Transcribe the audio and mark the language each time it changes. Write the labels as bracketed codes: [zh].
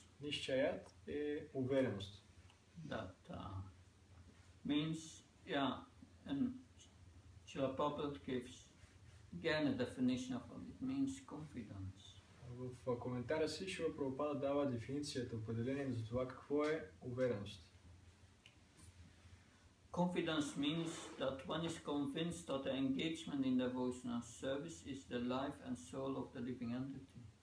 [bg] Nishayat е увереност. Да, [en] means, yeah, in Srila Prabhupada gives again a definition of it, means confidence. [bg] В коментара си Шрила Прабхупада дава дефиницията, определение за това какво е увереност. [en] Confidence means that one is convinced that the engagement in devotional service is the life and soul of the living entity.